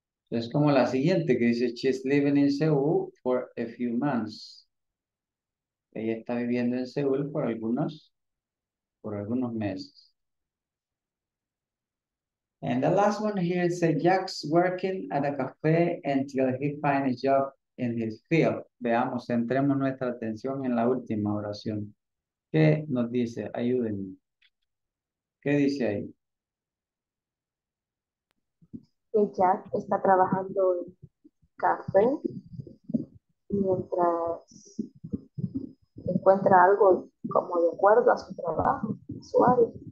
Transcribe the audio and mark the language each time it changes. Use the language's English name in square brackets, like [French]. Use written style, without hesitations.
[Spanish] Es como la siguiente que dice, [English] she's living in Seoul for a few months. [Spanish] Ella está viviendo en Seúl por algunos meses. [English] And the last one here is Jack's working at a cafe until he finds a job in his field. [Spanish] Veamos, centremos nuestra atención en la última oración. ¿Qué nos dice? Ayúdenme. ¿Qué dice ahí? Que Jack está trabajando en café mientras encuentra algo como de acuerdo a su trabajo, a su área.